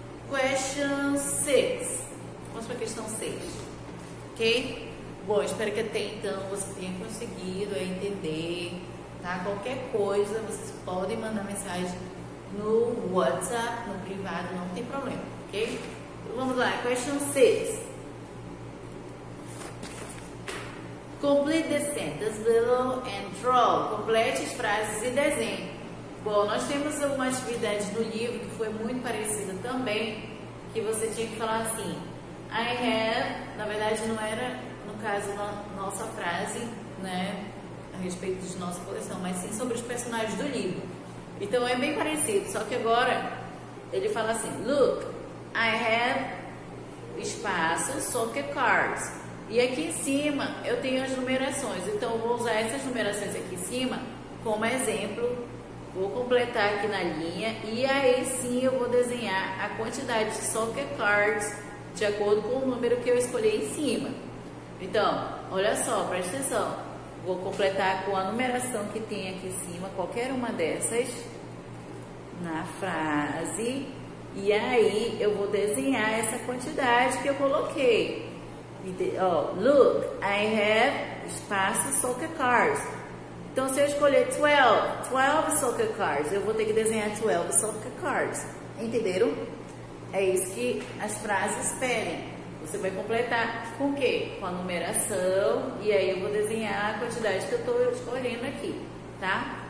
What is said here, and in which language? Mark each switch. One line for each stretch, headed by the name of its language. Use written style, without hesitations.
English: Question 6.
Portuguese: Vamos para a questão 6. Ok? Bom, espero que até então você tenha conseguido entender, tá? Qualquer coisa, vocês podem mandar mensagem no WhatsApp, no privado, não tem problema, ok? Então, vamos lá,
English: question 6. Complete the sentence below and draw.
Portuguese: Complete as frases e desenhe. Bom, nós temos uma atividade no livro que foi muito parecida também, que você tinha que falar assim,
English: I have,
Portuguese: na verdade não era, no caso, a nossa frase, né, a respeito de nossa coleção, mas sim sobre os personagens do livro. Então, é bem parecido, só que agora ele fala assim,
English: look, I have
Portuguese: espaço, soccer cards. E aqui em cima eu tenho as numerações, então eu vou usar essas numerações aqui em cima como exemplo. Vou completar aqui na linha e aí sim eu vou desenhar a quantidade de soccer cards de acordo com o número que eu escolhi em cima. Então, olha só, presta atenção. Vou completar com a numeração que tem aqui em cima, qualquer uma dessas, na frase. E aí eu vou desenhar essa quantidade que eu coloquei.
English: Oh, look, I have espaço soccer cards.
Portuguese: Então, se eu escolher 12 soccer cards, eu vou ter que desenhar 12 soccer cards. Entenderam? É isso que as frases pedem. Você vai completar com o quê? Com a numeração e aí eu vou desenhar a quantidade que eu estou escolhendo aqui, tá?